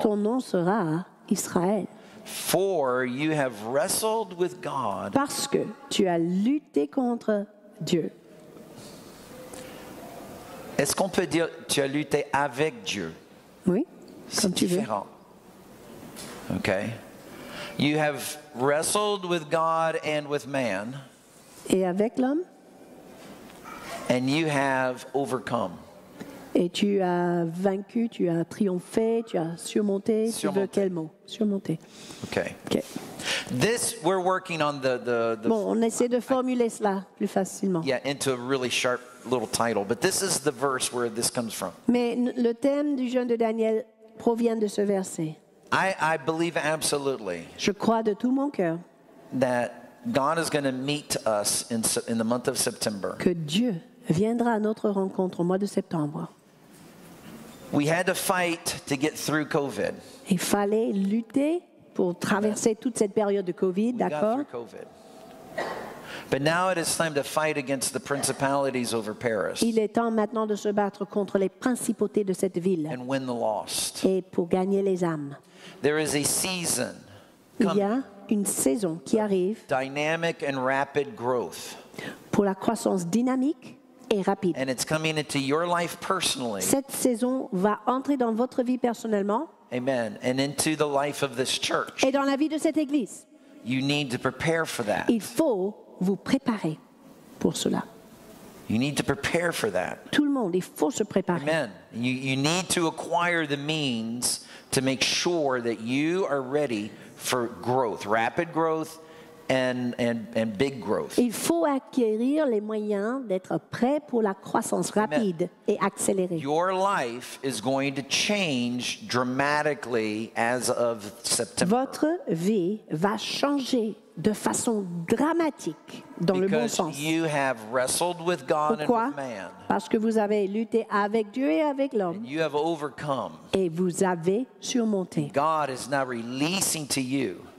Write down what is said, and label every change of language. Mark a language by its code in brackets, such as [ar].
[fr] Ton nom sera Israël. [en] For you have wrestled with God. [fr] Parce que tu as lutté contre Dieu. Est-ce qu'on peut dire tu as lutté avec Dieu? Oui. C'est différent. Okay. [en] You have wrestled with God and with man. [fr] Et avec l'homme. [en] And you have overcome. [fr] Et tu as vaincu, tu as triomphé, tu as surmonté. Surmonté. Tu veux quel mot? Surmonté. Okay. Okay. [en] This we're working on the [fr] bon, on essaie de formuler cela plus facilement. [en] Yeah, into a really sharp little title, but this is the verse where this comes from. [fr] Mais le thème du jeûne de Daniel provient de ce verset. [en] I believe absolutely. [fr] Je crois de tout mon cœur. [en] That God is going to meet us in the month of September. [fr] Que Dieu viendra à notre rencontre au mois de septembre. [en] We had to fight to get through COVID. [fr] Il fallait lutter pour traverser toute cette période de COVID, d'accord? [en] But now it is time to fight against the principalities over Paris. [fr] Il est temps maintenant de se battre contre les principautés de cette ville. [en] And win the lost. [fr] Et pour gagner les âmes. [en] There is a season. [fr] Il y a une saison qui arrive. [en] Dynamic and rapid growth. [fr] Pour la croissance dynamique et rapide. [en] And it's coming into your life personally. [fr] Cette saison va entrer dans votre vie personnellement. [en] Amen. And into the life of this church. [fr] Et dans la vie de cette église. [en] You need to prepare for that. [fr] Il faut vous préparer pour cela. [en] You need to prepare for that. [fr] Tout le monde, il faut se préparer. Amen. [en] You need to acquire the means to make sure that you are ready for growth, rapid growth and big growth. [fr] Il faut acquérir les moyens d'être prêt pour la croissance rapide. Amen. Et accélérée. [en] Your life is going to change dramatically as of September. [fr] Votre vie va changer de façon dramatique dans [en] because [fr] le bon sens. [en] You have wrestled with God. [fr] Pourquoi? [en] And with man. [fr] Parce que vous avez lutté avec Dieu et avec l'homme. [en] And you have overcome. [fr] Et vous avez surmonté. [en] God is now releasing to you.